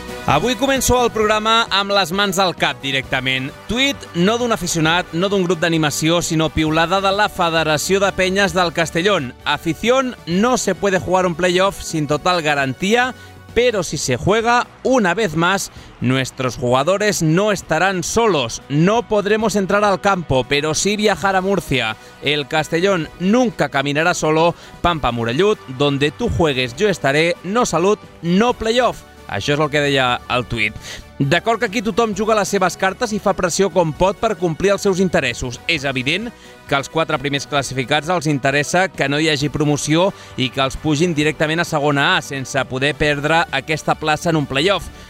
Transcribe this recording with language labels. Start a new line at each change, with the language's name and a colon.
Catalan: Avui començo el programa amb les mans al cap directament. Tuit no d'un aficionat, no d'un grup d'animació, sinó piulada de la Federació de Penyes del Castellón.
Spanish: Afición, no se puede jugar un playoff sin total garantía, pero si se juega, una vez más, nuestros jugadores no estarán solos. No podremos entrar al campo, pero sí viajar a Murcia. El Castellón nunca caminará solo. Pampa Murellut, donde tú juegues yo estaré. No salud, no playoff.
Catalan: Això és el que deia el tuit. D'acord que aquí tothom juga les seves cartes i fa pressió com pot per complir els seus interessos. És evident que als quatre primers classificats els interessa que no hi hagi promoció i que els pugin directament a segona A sense poder perdre aquesta plaça en un playoff.